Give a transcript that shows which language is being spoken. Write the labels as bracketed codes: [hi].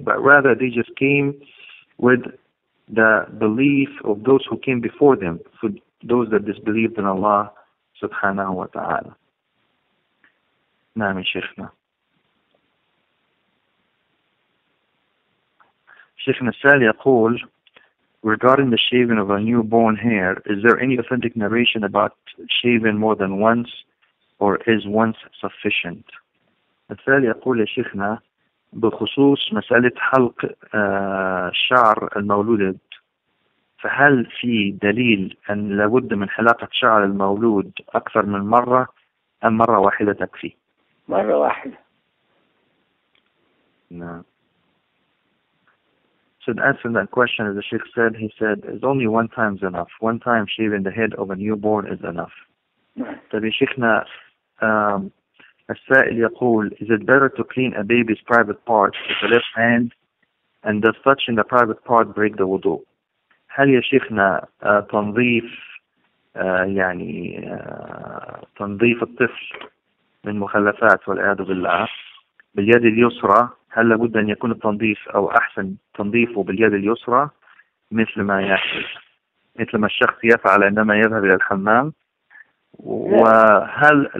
[en] But rather, they just came with the belief of those who came before them, for those that disbelieved in Allah subhanahu wa ta'ala. Naam, Sheikhna. Sheikh Nassal [ar] يقول, [en] regarding the shaving of a newborn hair, is there any authentic narration about shaving more than once, or is once sufficient? [ar] Nassal يقول لشيخنا بخصوص مسألة حلق شعر المولود, فهل في دليل أن لابد من حلاقة شعر المولود أكثر من مرة أم مرة واحدة تكفي؟ مرة واحدة. نعم. [en] So to answer that question, as the Sheikh said, he said, it's only one time's enough. One time shaving the head of a newborn is enough. So the Sheikh na, [ar] السائل يقول, [en] is it better to clean a baby's private part with the left hand, and does touching the private part break the wudu? [ar] هل يا شيخ نا تنظيف يعني تنظيف الطفل من مخلفات والعياذ بالله باليد اليسرى, هل لابد أن يكون التنظيف أو أحسن تنظيفه باليد اليسرى مثل ما الشخص يفعل عندما يذهب إلى الحمام؟ وهل